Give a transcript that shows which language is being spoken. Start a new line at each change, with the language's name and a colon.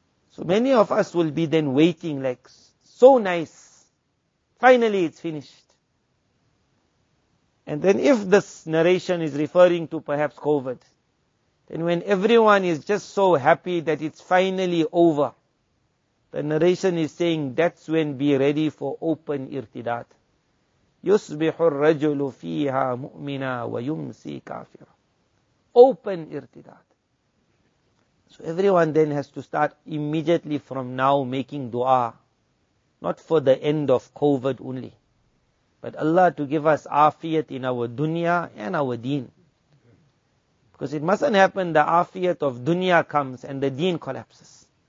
English: So many of us will be then waiting like, so nice. Finally it's finished. And then if this narration is referring to perhaps COVID, then when everyone is just so happy that it's finally over, the narration is saying that's when be ready for open irtidat.
Arabic: يُصْبِحُ الرَّجُلُ فِيهَا مُؤْمِنًا وَيُمْسِي كَافِرًا.
English: Open irtidat. So everyone then has to start immediately from now making dua, not for the end of COVID only, but Allah to give us afiyat in our dunya and our deen. Because it mustn't happen the afiyat of dunya comes and the deen collapses.